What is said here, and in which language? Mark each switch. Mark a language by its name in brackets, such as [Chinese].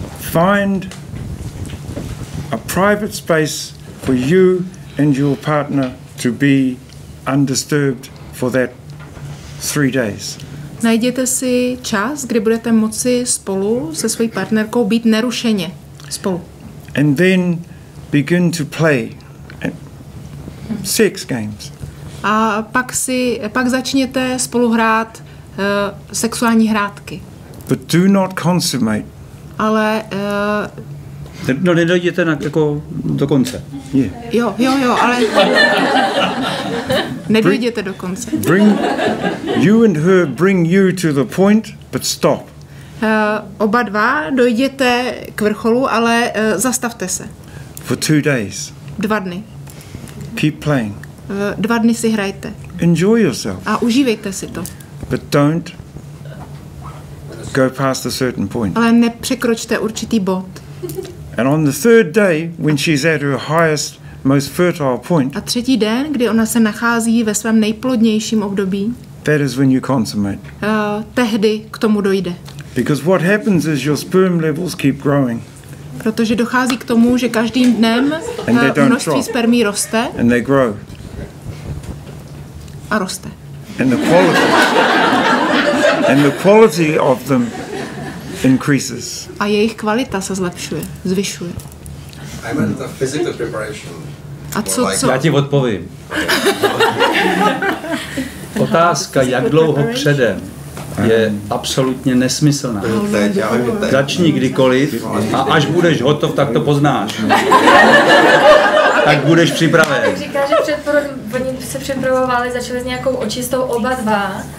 [English] Find a private space for you and your partner to be undisturbed for that 3 days. [Czech] Najděte si čas, kdy budete moci spolu se svojí partnerkou být nerušeně spolu. [English] And then begin to play sex games. [Czech] A pak začněte spolu hrát sexuální hrátky. [English] But do not consummate. [Czech] Ale no, nedojděte na jako do konce. [English] Yeah. [Czech] Jo, ale nedojděte do konce. [English] Bring you and her bring you to the point, but stop. [Czech] Oba dva dojděte k vrcholu, ale zastavte se. [English] For 2 days. [Czech] 2 dny. [English] Keep playing. [Czech] 2 dny si hrajte. [English] Enjoy yourself. [Czech] A užívejte si to. [English] But don't go past a certain point. [Czech] Ale nepřekročte určitý bod. [English] And on the 3rd day, when she's at her highest, most fertile point. [Czech] A 3. den, kdy ona se nachází ve svém nejplodnějším období. [English] That is when you consummate. [Czech] Tehdy k tomu dojde. [English] Because what happens is your sperm levels keep growing. [Czech] Protože dochází k tomu, že každým dnem množství spermí roste. [English] And they grow. [Czech] A roste. [English] And the quality. And the quality of them increases. [Czech] A jejich kvalita se zlepšuje, zvyšuje. [English] I meant the physical preparation. [Czech] A co? Já ti odpovím. Otázka, jak dlouho předem je absolutně nesmyslná. Začni kdykoliv a až budeš hotov, tak to poznáš. Tak budeš připraven. Tak říká, že oni se připravovali, začali s nějakou očistou oba dva.